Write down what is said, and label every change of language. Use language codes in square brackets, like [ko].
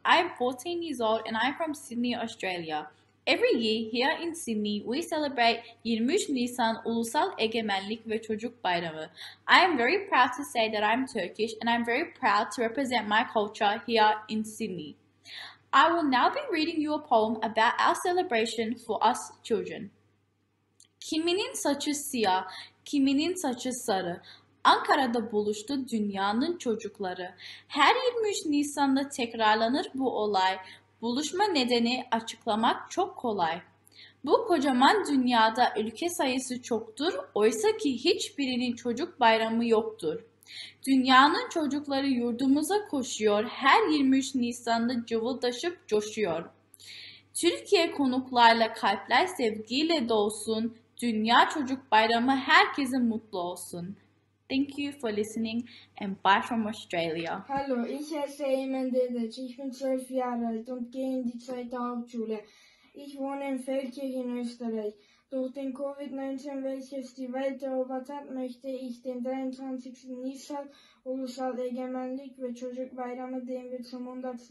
[en] I'm 14 years old and I'm from Sydney, Australia. Every year here in Sydney, we celebrate 23 Nisan Ulusal Egemenlik ve Çocuk Bayramı. I am very proud to say that I'm Turkish and I'm very proud to represent my culture here in Sydney. I will now be reading you a poem about our celebration for us children. [tr] Kiminin saçı siyah, kiminin saçı sarı. Ankara'da buluştu dünyanın çocukları. Her 23 Nisan'da tekrarlanır bu olay. Buluşma nedeni açıklamak çok kolay. Bu kocaman dünyada ülke sayısı çoktur. Oysa ki hiçbirinin çocuk bayramı yoktur. Dünyanın çocukları yurdumuza koşuyor. Her 23 Nisan'da cıvıldaşıp coşuyor. Türkiye konuklarla kalpler sevgiyle dolsun. Dünya çocuk bayramı herkesin mutlu olsun. [en] Thank you for listening and bye from Australia. [de] Hello, ich heiße Emendelic. Ich bin 12 Jahre alt und gehe in die 2. Hauptschule. Ich wohne in Feldkirch in Österreich. Durch den Covid-19, welches die Welt erobert hat, möchte ich den 23. Nisan Ulusal Egemenlik ve Çocuk Bayramı, den wir zum 100.